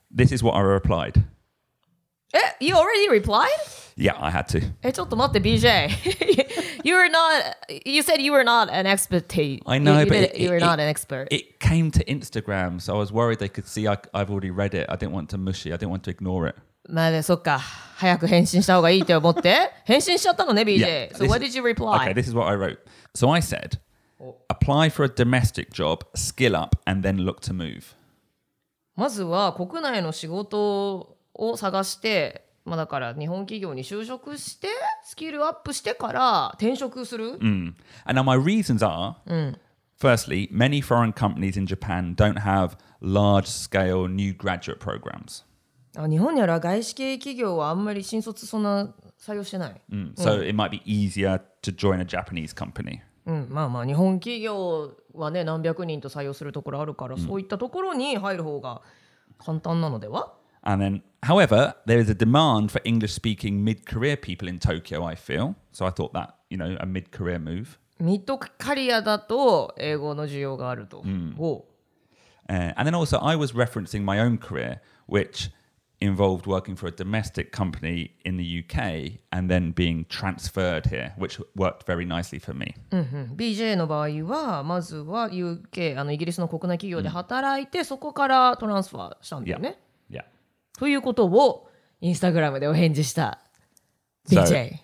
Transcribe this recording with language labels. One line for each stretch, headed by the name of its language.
English: This is what I replied. You already replied? Yeah, I had to.
Japanese: ちょっと待って, BJ.
English: You were not, you said you were not an expert. I know, an expert. It came to Instagram, so I was worried they could see I've already read it. I didn't want to mushy, I didn't want to ignore it.
Japanese: まあね、そっか。早く返信した方がいいって思って。返信しちゃったのね、BJ。
English: Yeah, so what did you reply? Okay, this is what I wrote. So I said, apply for a domestic job, skill up, and then look to move.
Japanese: まずは国内の仕事を探して、まあだから日本企業に就職して、スキルアップしてから転職する。
English: And now my reasons are,firstly, many foreign companies in Japan don't have large-scale new graduate programs.
Japanese: 日本にある外資系企業はあんまり新卒そんな採用してない。
English: So it might be easier to join a Japanese company.
Japanese: まあまあ日本企業はね何百人と採用するところあるから、そういったところに入る方が簡単なのでは。
English: And then, however, there is a demand for English-speaking mid-career people in Tokyo. I feel so. I thought that you know a mid-career move.
Japanese: ミッドカリアだと英語の需要があると。
English: And then also, I was referencing my own career, which. Involved working for a domestic company in the UK and then being transferred here, which worked very nicely for me.
Japanese: BJ の場合はまずは UK、あのイギリスの国内企業で働いて、そこからトランスファーしたんだよね。
English: Yeah. Yeah.
Japanese: ということをインスタグラムでお返事した BJ。